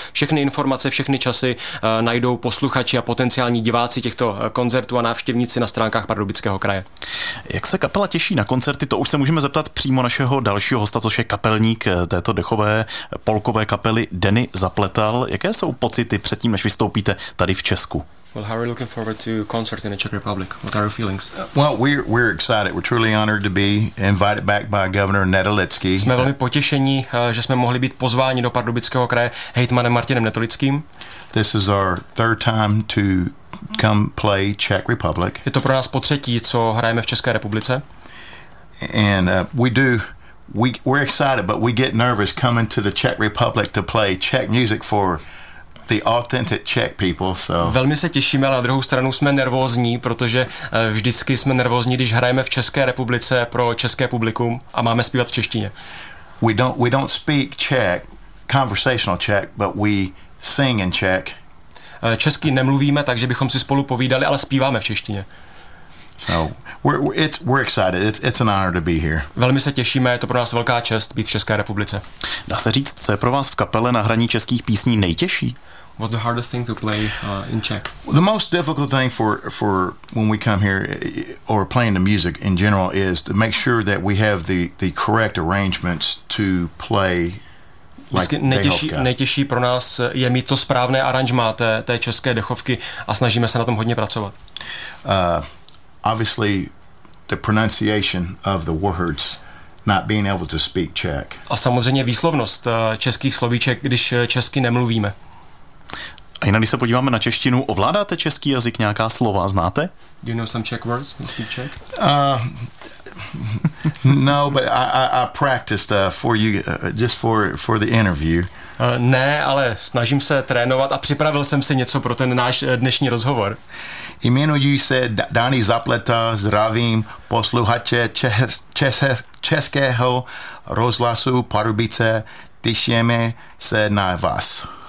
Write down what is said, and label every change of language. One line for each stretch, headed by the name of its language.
Czech: Všechny informace, všechny časy najdou posluchači a potenciální diváci těchto koncertů a návštěvníci na stránkách Pardubického kraje. Jak se kapela těší na koncerty, to už se můžeme zeptat přímo našeho dalšího hosta, což je kapelník této dechové polkové kapely Denny Zapletal. Jaké jsou pocity předtím, než vystoupíte tady v Česku?
English: Well, how are you looking forward to concert in the Czech Republic? What are your feelings? Well, we're excited. We're truly honored to be invited back by Governor Netolický.
Czech: Jsme velmi potěšení, že jsme mohli být pozváni do Pardubického kraje hejtmanem Martinem Netolickým.
English: This is our third time to come play Czech Republic.
Czech: Je to pro nás potřetí, co hrajeme v České republice.
English: And we're excited, but we get nervous coming to the Czech Republic to play Czech music for the authentic Czech people, so.
Czech: Velmi se těšíme, ale na druhou stranu jsme nervózní, protože vždycky jsme nervózní, když hrajeme v České republice pro české publikum a máme zpívat v češtině.
English: We don't speak Czech, conversational Czech, but we sing in Czech.
Czech: Česky nemluvíme, takže bychom si spolu povídali, ale zpíváme v češtině.
English: So, we're excited. It's an honor to be here.
Czech: Velmi se těšíme, je to pro nás velká čest být v České republice. Dá se říct, co je pro vás v kapele na hraní českých písní nejtěžší?
English: What's the hardest thing to play in Czech? The most difficult thing for when we come here or playing the music in general is to make sure that we have the correct arrangements to play.
Czech: Vždycky nejtěžší pro nás je mít to správné aranžmá té české dechovky a snažíme se na tom hodně pracovat.
English: Obviously the pronunciation of the words, not being able to speak Czech.
Czech: A samozřejmě výslovnost českých slovíček, když česky nemluvíme. A jinak, když se podíváme na češtinu, ovládáte český jazyk, nějaká slova znáte?
English: Do you know some Czech words? You speak Czech? No, but I practiced for you just for the interview.
Czech: Ne, ale snažím se trénovat a připravil jsem si něco pro ten náš dnešní rozhovor. Jmenuji se Dani Zapleta, zdravím posluchače českého rozhlasu Pardubice, těšíme se na vás.